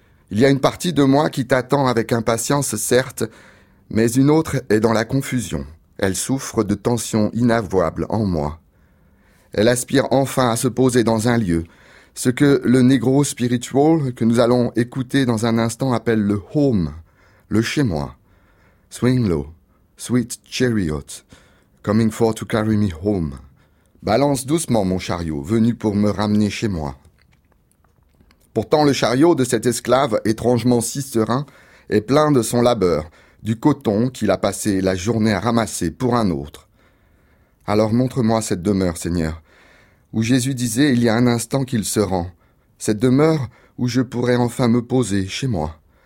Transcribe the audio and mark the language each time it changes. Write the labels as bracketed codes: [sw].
[fr] Il y a une partie de moi qui t'attend avec impatience, certes, mais une autre est dans la confusion. Elle souffre de tensions inavouables en moi. Elle aspire enfin à se poser dans un lieu, ce que le négro spiritual que nous allons écouter dans un instant appelle le home, le chez-moi. [en] Swing low, sweet chariot, coming for to carry me home. [fr] Balance doucement mon chariot, venu pour me ramener chez moi. Pourtant le chariot de cet esclave, étrangement si serein, est plein de son labeur, du coton qu'il a passé la journée à ramasser pour un autre. Alors montre-moi cette demeure, Seigneur, où Jésus disait il y a un instant qu'il se rend, cette demeure où je pourrais enfin me poser chez moi.